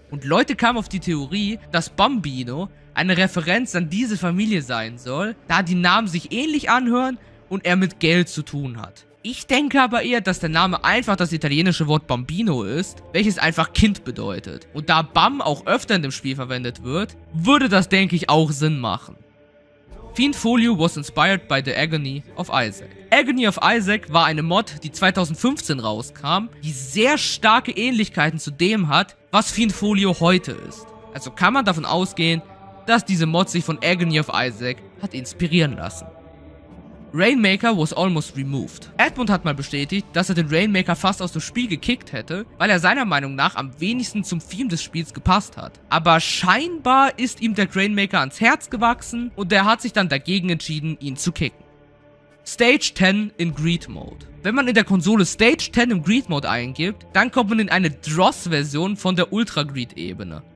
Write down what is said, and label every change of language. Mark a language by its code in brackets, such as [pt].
[de] Und Leute kamen auf die Theorie, dass Bambino eine Referenz an diese Familie sein soll, da die Namen sich ähnlich anhören und er mit Geld zu tun hat. Ich denke aber eher, dass der Name einfach das italienische Wort Bambino ist, welches einfach Kind bedeutet. Und da Bam auch öfter in dem Spiel verwendet wird, würde das, denke ich, auch Sinn machen. [en] Fiendfolio was inspired by the Agony of Isaac. [de] Agony of Isaac war eine Mod, die 2015 rauskam, die sehr starke Ähnlichkeiten zu dem hat, was Fiendfolio heute ist. Also kann man davon ausgehen, dass diese Mod sich von Agony of Isaac hat inspirieren lassen. [en] Rainmaker was almost removed. [de] Edmund hat mal bestätigt, dass er den Rainmaker fast aus dem Spiel gekickt hätte, weil er seiner Meinung nach am wenigsten zum Theme des Spiels gepasst hat. Aber scheinbar ist ihm der Rainmaker ans Herz gewachsen und er hat sich dann dagegen entschieden, ihn zu kicken. Stage 10 in Greed Mode. Wenn man in der Konsole Stage 10 im Greed Mode eingibt, dann kommt man in eine Dross-Version von der Ultra-Greed-Ebene.